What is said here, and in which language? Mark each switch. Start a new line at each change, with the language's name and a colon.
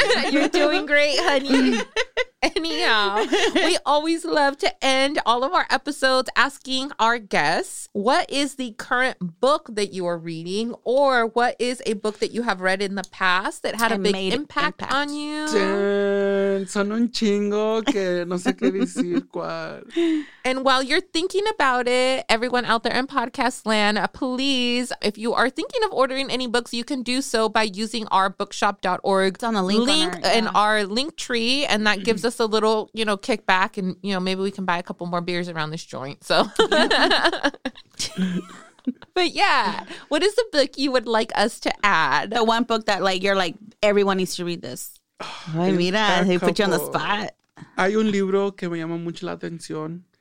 English: You're doing great, honey. Anyhow, we always love to end all of our episodes asking our guests, what is the current book that you are reading, or what is a book that you have read in the past that had a big impact on you?
Spanish: Son un chingo que no sé qué decir cuál.
English: And while you're thinking about it, everyone out there in podcast land, please, if you are thinking of ordering any books, you can do so by using our bookshop.org. It's on the link in our link tree, and that gives us a little, you know, kickback, and you know, maybe we can buy a couple more beers around this joint. So but yeah, what is the book you would like us to add? The one book that like you're like, everyone needs to read this.
Spanish: Ay, mira,
English: they put you on the spot.
Spanish: Hay un libro que me llama mucho la atención.